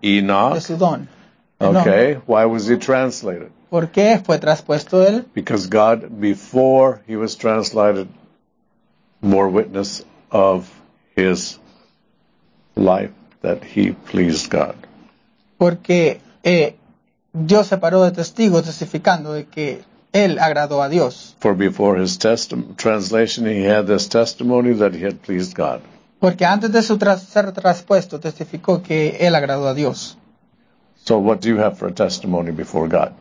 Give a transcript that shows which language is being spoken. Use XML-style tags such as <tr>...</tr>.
<en>Enoch.</en> <es>De su don.</es> <en>Okay. Why was he translated?</en> <es>¿Por qué fue traspuesto él?</es> <en>Because God, before he was translated, bore witness of his life that he pleased God.</en> <es>Porque Dios se paró de testigo testificando de que él agradó a Dios.</es> <en>For before his translation, he had this testimony that he had pleased God.</en> <es>Porque antes de su ser traspuesto, testificó que él agradó a Dios.</es> <en>So what do you have for a testimony before God?</en>